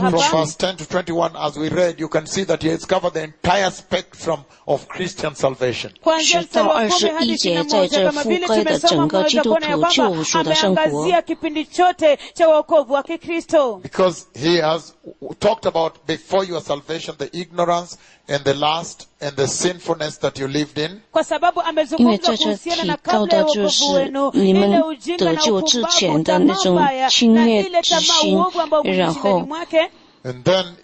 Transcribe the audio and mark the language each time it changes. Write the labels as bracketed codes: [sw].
[en] From verse 10 to 21, as we read, you can see that he has covered the entire spectrum of Christian salvation. [zh] 十到二十一节，在这覆盖的整个基督徒救赎的生活。 [en] Because he has talked about before your salvation the ignorance and the lust and the sinfulness that you lived in. [zh] 因为在这提到的就是你们得救之前的那种轻蔑之心，然后。 [en] And then